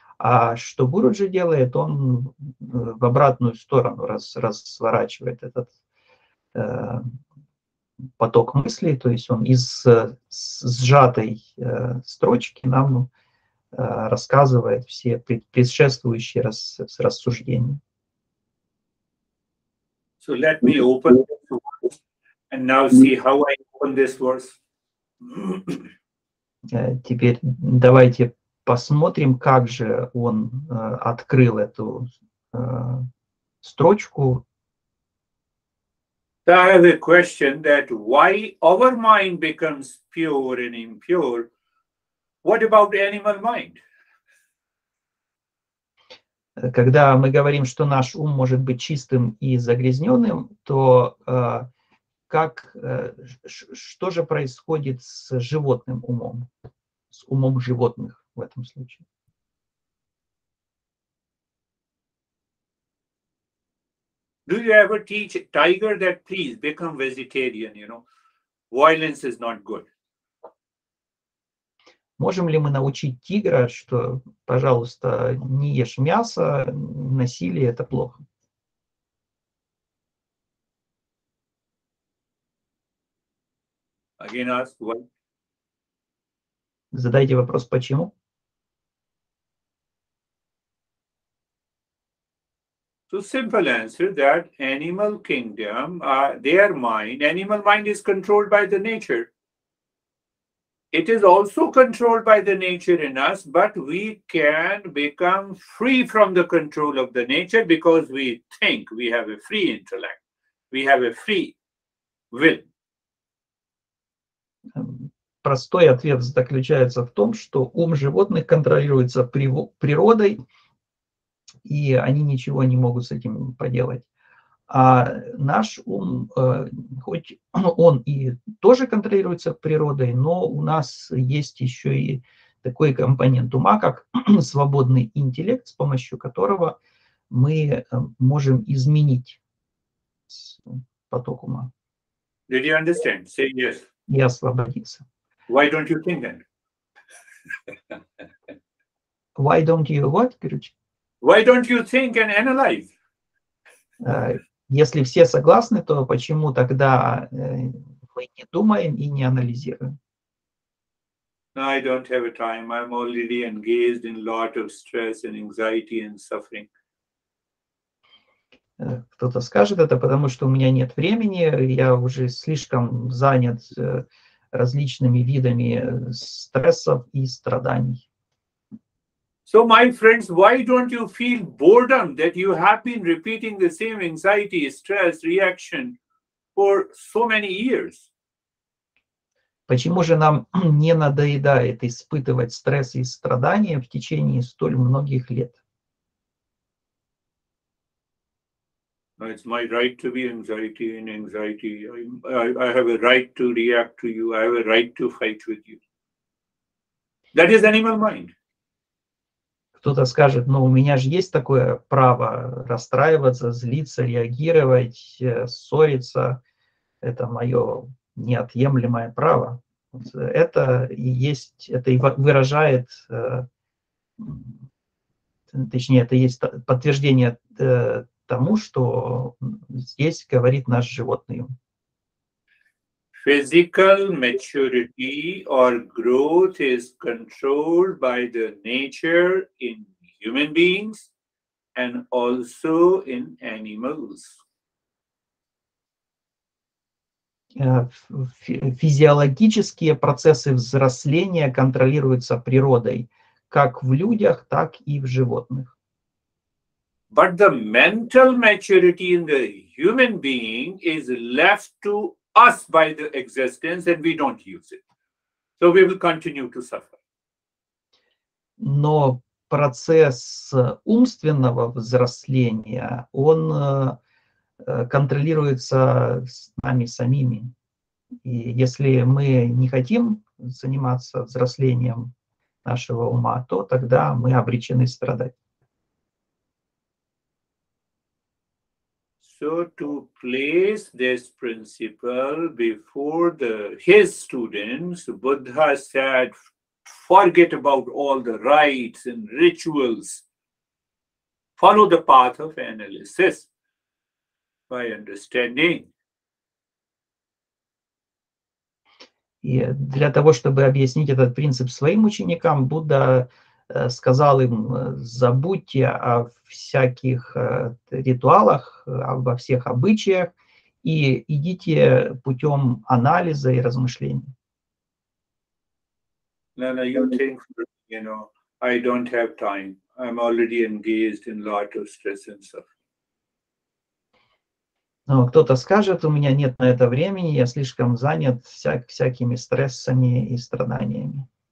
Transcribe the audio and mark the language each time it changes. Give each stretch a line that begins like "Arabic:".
Russian: А что Гуруджи делает, он в обратную сторону разворачивает этот поток мыслей, то есть он из сжатой строчки нам рассказывает все предшествующие рассуждения.
English: So let me open and now see how I open this verse.
Russian: Теперь давайте посмотрим, как же он открыл эту строчку.
English: So I have a question that why our mind becomes pure and impure? What about the animal mind?
Russian: Когда мы говорим, что наш ум может быть чистым и загрязненным, то как, что же происходит с животным умом, с умом животных в этом случае?
English: Do you ever teach a tiger that please become vegetarian, you know? Violence is not good.
Russian: Можем ли мы научить тигра, что, пожалуйста, не ешь мясо, насилие – это плохо?
English: Again, ask why.
Russian: Задайте вопрос, почему?
English: So simple answer that animal kingdom, their mind, animal mind is controlled by the nature. It is also controlled by the nature in us, but we can become free from the control of the nature because we think we have a free intellect, we have a free will.
Russian: Простой ответ заключается в том, что ум животных контролируется природой, и они ничего не могут с этим поделать. А наш ум, хоть он и тоже контролируется природой, но у нас есть еще и такой компонент ума, как свободный интеллект, с помощью которого мы можем изменить поток ума.
English: Did you understand? Say yes.
Russian: И освободиться.
English: Why don't you think then? Why don't you what, Кирюч? Why don't you think and analyze?
Russian: Если все согласны, то почему тогда мы не думаем и не анализируем?
English: No, I don't have a time. I'm already engaged in a lot of stress and anxiety and suffering.
Russian: кто-то скажет это, потому что у меня нет времени, я уже слишком занят различными видами стрессов и страданий.
English: So, my friends, why don't you feel boredom that you have been repeating the same anxiety, stress, reaction for so many years?
Russian: Почему же нам не надоедает испытывать стресс и страдания в течение столь многих лет?
English: It's my right to be anxiety and anxiety. I have a right to react to you. I have a right to fight with you. That is animal mind.
Russian: Кто-то скажет, но у меня же есть такое право расстраиваться, злиться, реагировать, ссориться. Это мое неотъемлемое право. Это и есть, это и выражает, точнее, это есть подтверждение тому, что здесь говорит наш животный.
English: Physical maturity or growth is controlled by the nature in human beings and also in animals.
Russian: Физиологические процессы взросления контролируются природой как в людях, так и в животных.
English: But the mental maturity in the human being is left to us by the existence, and we don't use it. So we will continue to suffer.
Russian: Но процесс умственного взросления, он контролируется с нами самими. И если мы не хотим заниматься взрослением нашего ума, то тогда мы обречены страдать.
English: So to place this principle before his students, Buddha said, forget about all the rites and rituals. Follow the path of analysis by understanding.
Russian: И для того, чтобы объяснить этот принцип своим ученикам, Будда сказал им, забудьте о всяких ритуалах, обо всех обычаях и идите путем анализа и размышлений.
English: Nana, you think, you know, I don't have time. I'm already engaged in a lot of stress and suffering.
Russian: Но кто-то скажет, у меня нет на это времени, я слишком занят всякими стрессами и страданиями.